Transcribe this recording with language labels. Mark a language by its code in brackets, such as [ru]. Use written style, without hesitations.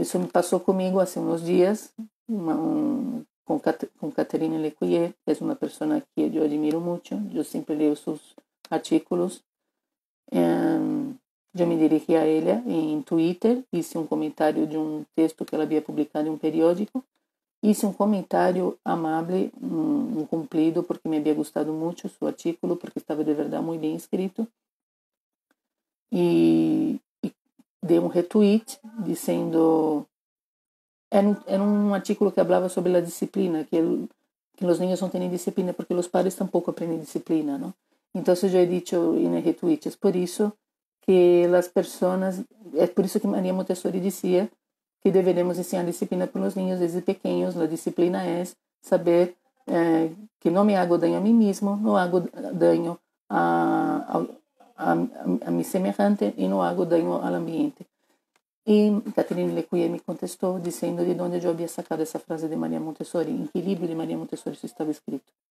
[pt] Isso me passou comigo há uns dias, com Caterina Lecuyer, que é uma pessoa que eu admiro muito, eu sempre leio seus artículos. Eu me dirigi a ela em Twitter, fiz um comentário de um texto que ela havia publicado em um periódico. [es] Hice un comentario amable, un cumplido, porque me había gustado mucho su artículo, porque estaba de verdad muy bien escrito. Y de un retweet diciendo, era un artículo que hablaba sobre la disciplina, que los niños no tienen disciplina porque los padres tampoco aprenden disciplina, ¿no? Entonces yo he dicho en el retweet, es por eso que las personas, es por eso que María Montessori decía que [pt] deveremos ensinar disciplina para os ninhos desde pequenos. A disciplina é saber que não [es] me hago daño [pt] a mim mesmo, não [es] hago daño a mi semejante [pt] e não hago daño ao ambiente. E Caterina Lecuyer me contestou dizendo de onde eu havia sacado essa frase de Maria Montessori, em que livro de Maria Montessori isso estava escrito.